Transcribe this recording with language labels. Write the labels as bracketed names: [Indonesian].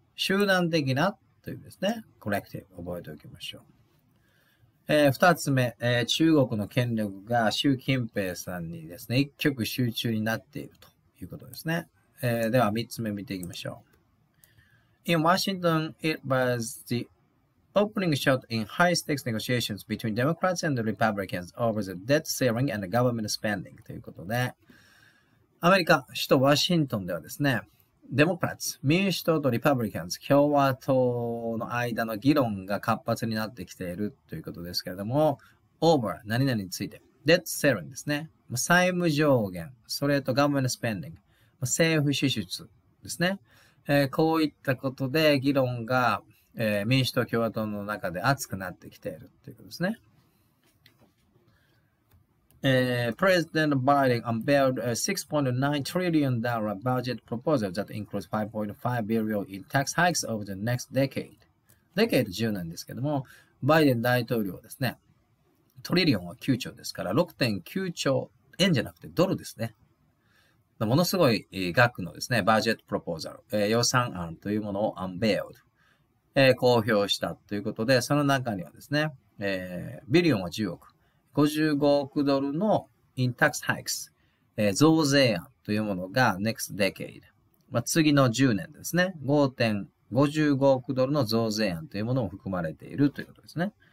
[Japanese] 集団的なという意味ですね。 Collective。 覚えておきましょう。二つ目、中国の権力が習近平さんにですね、一極集中になっているということですね。では、三つ目見ていきましょう。 [English] In Washington, it was the opening shot in high-stakes negotiations between Democrats and Republicans over the debt ceiling and government spending. [Japanese] ということで、アメリカ、首都ワシントンではですね、デモクラツ、民主党とリパブリカンズ、共和党の間の議論が活発になってきているということですけれども、over 何々について、debt ceiling ですね、債務上限、それと government spending、政府支出ですね、こういったことで議論が、民主党共和党の中で熱くなってきているということですね。 [English] President Biden unveiled a $6.9 trillion budget proposal that includes $5.5 billion in tax hikes over the next decade. [Japanese] Decade 10年ですけども、バイデン大統領ですね、トリリオンは9兆ですから、6.9 兆円じゃなくてドルですね。ものすごい額のですね、バジェットプロポーザル、予算案というものをアンベールド、公表したということで、その中にはですね、ビリオンは10億、55億ドルのインタックスハイクス、増税案というものが next decade、まあ、次の10年ですね、5.55億ドルの増税案というものも含まれているということですね。